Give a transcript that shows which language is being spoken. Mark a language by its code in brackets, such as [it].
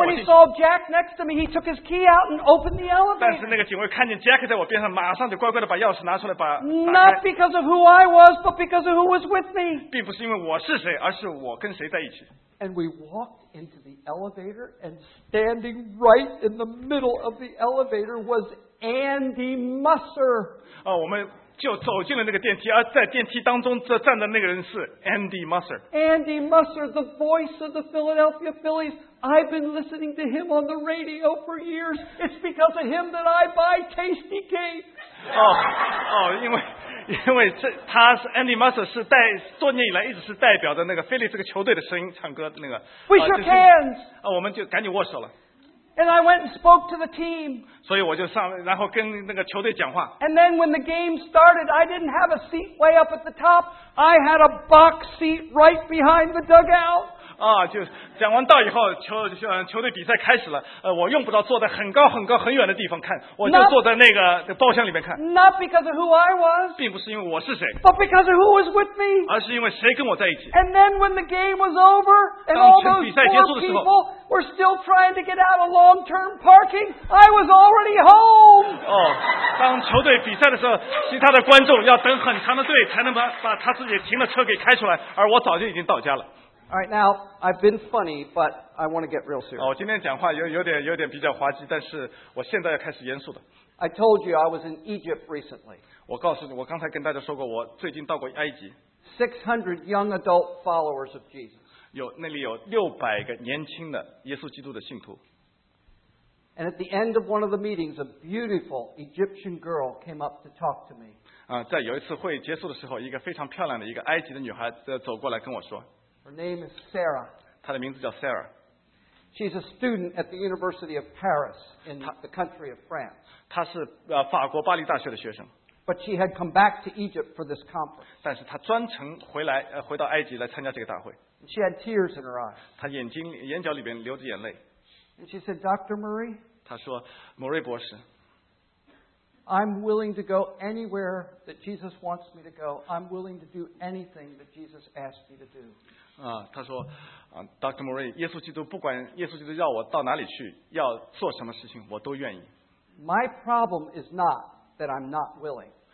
[zh] 我进。 [en] And then when he saw Jack next to me, he took his key out and opened the elevator. [zh] 但是那个警卫看见 Jack 在我边上，马上就乖乖的把钥匙拿出来，把打开。 [en] Not because of who I was, but because of who was with me. [zh] 并不是因为我是谁，而是我跟谁在一起。 [en] And we walked into the elevator, and standing right in the middle of the elevator was Andy Musser. [zh] 我们就走进了那个电梯，而在电梯当中站的那个人是 Andy Musser. [en] Andy Musser, the voice of the Philadelphia Phillies. I've been listening to him on the radio for years. It's because of him that I buy Tasty Cakes. [zh] 因为这他是 Andy Musser 是代多年以来一直是代表的那个菲利这个球队的声音唱歌的那个。 [en] We shook hands. [zh] 我们就赶紧握手了。 [en] And I went and spoke to the team. [zh] 所以我就上，然后跟那个球队讲话。 [en] And then when the game started, I didn't have a seat way up at the top. I had a box seat right behind the dugout. [zh] 就讲完到以后，球队比赛开始了。我用不着坐在很高很高很远的地方看，我就坐在那个包厢里面看。 [en] Not because of who I was， [zh] 并不是因为我是谁 [en] ，but because of who was with me， [zh] 而是因为谁跟我在一起。 [en] And then when the game was over and all those poor people were still trying to get out of long-term parking， I was already home。 [zh] 当球队比赛的时候，其他的观众要等很长的队才能把他自己停的车给开出来，而我早就已经到家了。 [en] All right, now I've been funny, but I want to get real serious. [zh] 今天讲话有点比较滑稽，但是我现在要开始严肃的。 [en] I told you I was in Egypt recently. [zh] 我告诉你，我刚才跟大家说过，我最近到过埃及。 [en] 600 young adult followers of Jesus. [zh] 那里有600个年轻的耶稣基督的信徒。 [en] And at the end of one of the meetings, a beautiful Egyptian girl came up to talk to me. [zh] 在有一次会结束的时候，一个非常漂亮的一个埃及的女孩走过来跟我说。 [en] Her name is Sarah. [zh] 她的名字叫 Sarah. [en] She's a student at the University of Paris in the country of France. [zh] 她是法国巴黎大学的学生。 [en] But she had come back to Egypt for this conference. [zh] 但是她专程回到埃及来参加这个大会。 [en] And she had tears in her eyes. [zh] 她眼角里边流着眼泪。 [en] And she said, Dr. Murray. [zh] 她说，莫瑞博士。 [en] I'm willing to go anywhere that Jesus wants me to go. I'm willing to do anything that Jesus asked me to do. [zh] 他说，Dr. Murray， 耶稣基督不管耶稣基督要我到哪里去，要做什么事情，我都愿意。 [en] My problem is not that I'm not willing.